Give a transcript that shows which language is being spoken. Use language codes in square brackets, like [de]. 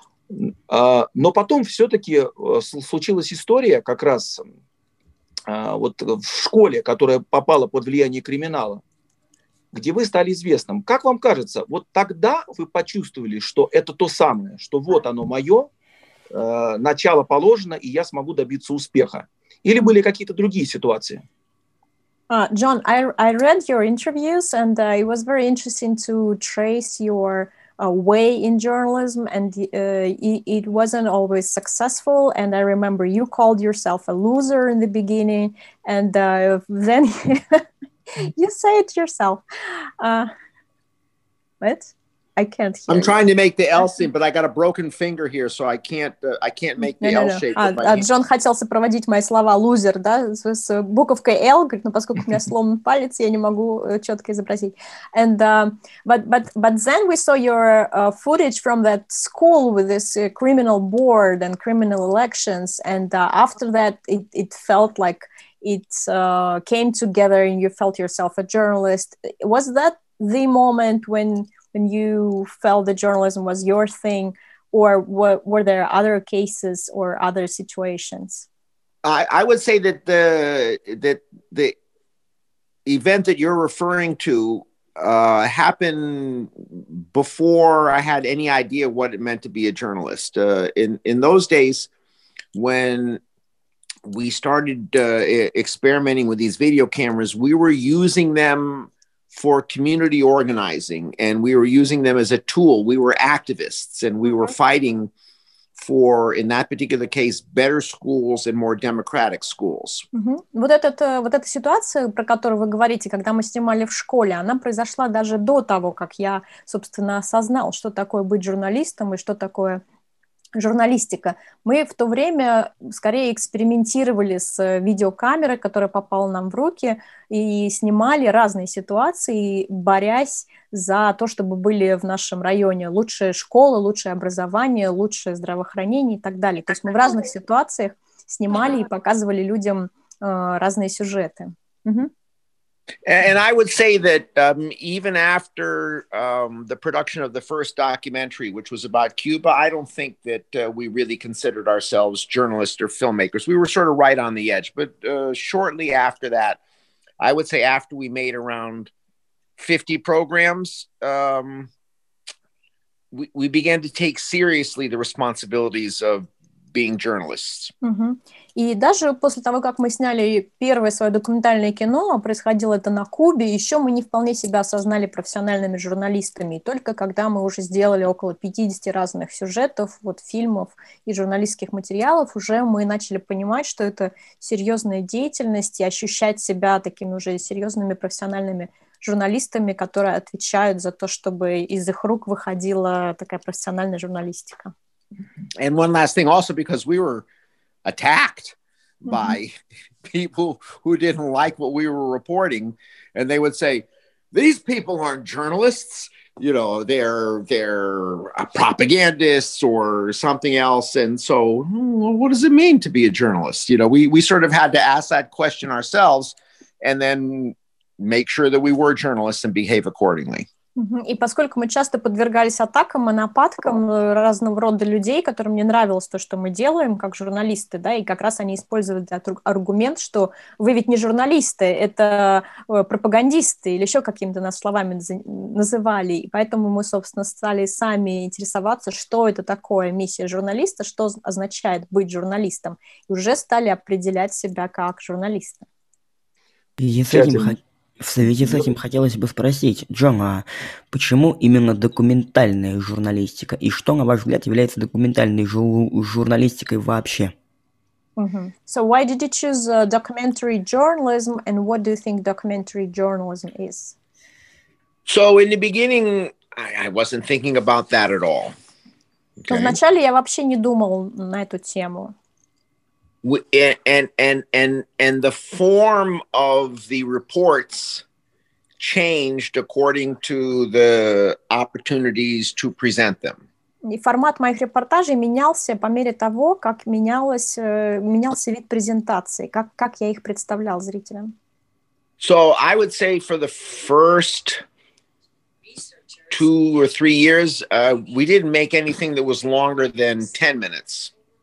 [ru] Но потом все-таки случилась история как раз вот в школе, которая попала под влияние криминала, где вы стали известным. Как вам кажется, вот тогда вы почувствовали, что это то самое, что вот оно мое, начало положено, и я смогу добиться успеха? Или были какие-то другие ситуации? [en] John, I read your interviews, and it was very interesting to trace your way in journalism, and it wasn't always successful, and I remember you called yourself a loser in the beginning, and then you say it yourself. What? I can't hear I'm you. Trying to make the L shape, but I got a broken finger here, so I can't make the L shape. [ru] Джон хотел сопроводить мои слова «лузер», да, с буковкой L, говорит, но поскольку у меня сломан палец, я не могу четко изобразить. [en] And but then we saw your footage from that school with this criminal board and criminal elections, and after that it felt like it came together and you felt yourself a journalist. Was that the moment when you felt that journalism was your thing, or were there other cases or other situations? I would say that the event that you're referring to happened before I had any idea what it meant to be a journalist. In those days, when we started experimenting with these video cameras, we were using them for community organizing, and we were using them as a tool. We were activists, and we were fighting for, in that particular case, better schools and more democratic schools. Mm-hmm. [ru] Вот эта ситуация, про которую вы говорите, когда мы снимали в школе, она произошла даже до того, как я, собственно, осознал, что такое быть журналистом и что такое журналистика. Мы в то время скорее экспериментировали с видеокамерой, которая попала нам в руки, и снимали разные ситуации, борясь за то, чтобы были в нашем районе лучшие школы, лучшее образование, лучшее здравоохранение и так далее. То есть мы в разных ситуациях снимали и показывали людям разные сюжеты. Угу. [en] And I would say that even after the production of the first documentary, which was about Cuba, I don't think that we really considered ourselves journalists or filmmakers. We were sort of right on the edge. But shortly after that, I would say after we made around 50 programs, we began to take seriously the responsibilities of being journalists. Угу. [ru] И даже после того, как мы сняли первое свое документальное кино, происходило это на Кубе, еще мы не вполне себя осознали профессиональными журналистами. И только когда мы уже сделали около 50 разных сюжетов, вот, фильмов и журналистских материалов, уже мы начали понимать, что это серьезная деятельность, и ощущать себя такими уже серьезными профессиональными журналистами, которые отвечают за то, чтобы из их рук выходила такая профессиональная журналистика. [en] And one last thing, also because we were attacked mm-hmm. by people who didn't like what we were reporting, and they would say, these people aren't journalists, you know, they're propagandists or something else. And so what does it mean to be a journalist? You know, we sort of had to ask that question ourselves and then make sure that we were journalists and behave accordingly. [ru] И поскольку мы часто подвергались атакам и нападкам разного рода людей, которым не нравилось то, что мы делаем, как журналисты, да, и как раз они использовали этот аргумент, что вы ведь не журналисты, это пропагандисты или еще какими-то нас словами называли, и поэтому мы, собственно, стали сами интересоваться, что это такое миссия журналиста, что означает быть журналистом, и уже стали определять себя как журналиста. В связи с этим хотелось бы спросить, Джон, а почему именно документальная журналистика? И что, на ваш взгляд, является документальной журналистикой вообще? Mm-hmm. [en] So why did you choose documentary journalism and what do you think documentary journalism is? So in the beginning, I wasn't thinking about that at all. Okay. [ru] Вначале я вообще не думал на эту тему. [en] And the form of the reports changed according to the opportunities to present them. [ru] И формат моих репортажей менялся по мере того, как менялся вид презентации, как я их представлял зрителям. [en] So I would say for the first 2 or 3 years, we didn't make anything that was longer than 10 minutes.